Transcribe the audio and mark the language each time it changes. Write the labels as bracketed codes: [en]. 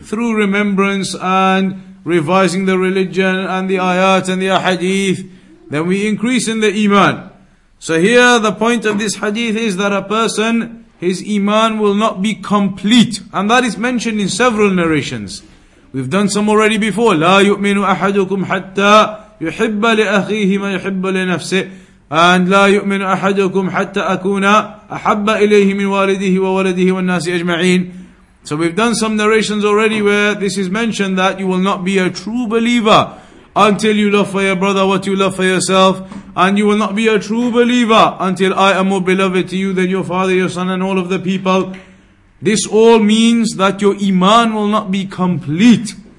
[en] Through remembrance and revising the religion and the ayat and the ahadith, then we increase in the iman. So here the point of this hadith is that a person, his iman will not be complete. And that is mentioned in several narrations. We've done some already before. [ar] لا يؤمن أحدكم حتى يحب لأخيه ما يحب لنفسه. [en] And [ar] لا يؤمن أحدكم حتى أكون أحب إليه من والده وولده والناس أجمعين. [en] So we've done some narrations already where this is mentioned, that you will not be a true believer until you love for your brother what you love for yourself. And you will not be a true believer until I am more beloved to you than your father, your son, and all of the people. This all means that your iman will not be complete.